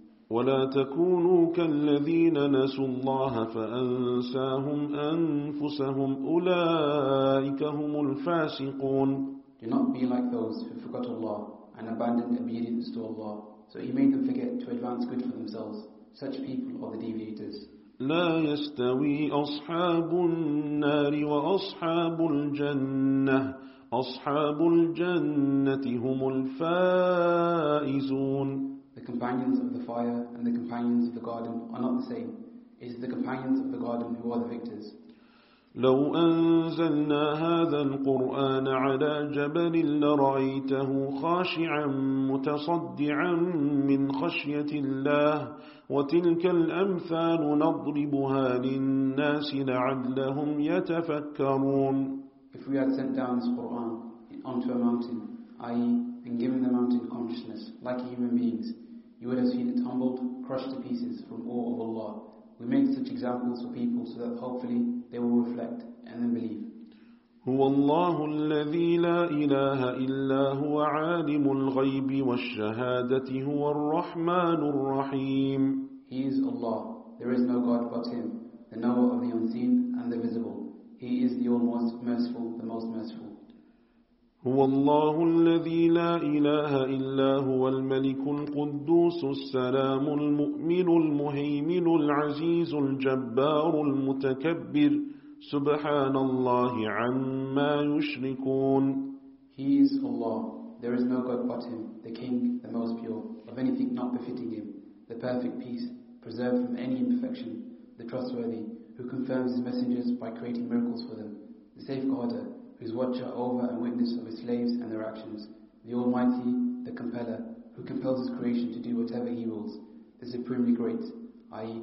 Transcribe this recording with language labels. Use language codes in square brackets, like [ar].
[ar] وَلَا تَكُونُوا كَالَّذِينَ نَسُوا اللَّهَ فَأَنْسَاهُمْ أَنفُسَهُمْ أُولَٰئِكَ هُمُ الْفَاسِقُونَ [en] Do not be like those who forgot Allah and abandoned obedience to Allah, so He made them forget to advance good for themselves. Such people are the deviators. [ar] لا يستوي أصحاب النار وأصحاب الجنة أصحاب الجنة هم الفائزون [en] The companions of the fire and the companions of the garden are not the same. It is the companions of the garden who are the victors. [ar] لو أنزلنا هذا القرآن على جبل لرأيته خاشعا متصدعا من خشية الله وتلك الأمثال نضربها للناس لعلهم يتفكرون [en] If we had sent down this Quran onto a mountain, i.e. and given the mountain consciousness like human beings, you would have seen it tumbled, crushed to pieces from awe of Allah. We make such examples for people so that hopefully they will reflect and then believe. [ar] هو الله الذي لا إله إلا هو عالم الغيب والشهادة هو الرحمن الرحيم [en] He is Allah. There is no God but Him, the knower of the unseen and the visible. He is the almost merciful, the most merciful. [ar] هو الله الذي لا إله إلا هو الملك القدوس السلام المؤمن المهيمن العزيز الجبار المتكبر سبحان الله عما يشركون [en] He is Allah. There is no God but Him, the King, the Most Pure, of anything not befitting Him, the perfect peace, preserved from any imperfection, the trustworthy, who confirms His messengers by creating miracles for them, the safeguarder, His watcher over and witness of His slaves and their actions, the Almighty, the Compeller, who compels His creation to do whatever He wills, the supremely great, i.e.